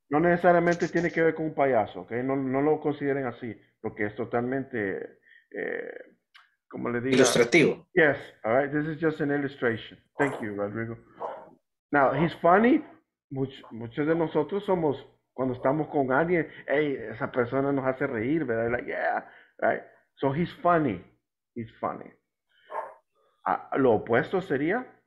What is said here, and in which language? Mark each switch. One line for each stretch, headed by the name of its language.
Spanish: No necesariamente tiene que ver con un payaso, ¿ok? No lo consideren así, porque es totalmente, ¿cómo le digo? Ilustrativo.
English: Yes, all right, this is just an illustration. Thank you, Rodrigo. Now, he's funny.
Spanish: Muchos de nosotros somos, cuando estamos con alguien, hey, esa persona nos hace reír, ¿verdad?
English: Like, yeah, right? So, he's funny. He's funny.
Spanish: Lo opuesto sería?